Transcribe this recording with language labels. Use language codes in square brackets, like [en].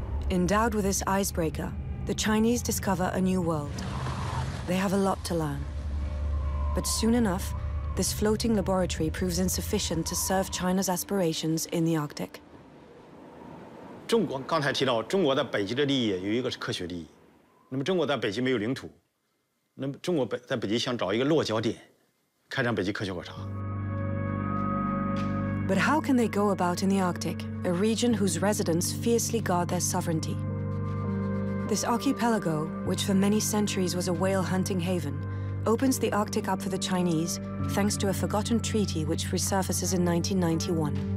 [en] Endowed with this icebreaker, the Chinese discover a new world. They have a lot to learn. But soon enough, this floating laboratory proves insufficient to serve China's aspirations in the Arctic. [zh] 刚才提到，中国在北极的利益有一个是科学利益。那么中国在北极没有领土，那么中国在北极想找一个落脚点，开展北极科学考察。But [en] how can they go about in the Arctic, a region whose residents fiercely guard their sovereignty? This archipelago, which for many centuries was a whale hunting haven, opens the Arctic up for the Chinese thanks to a forgotten treaty which resurfaces in 1991.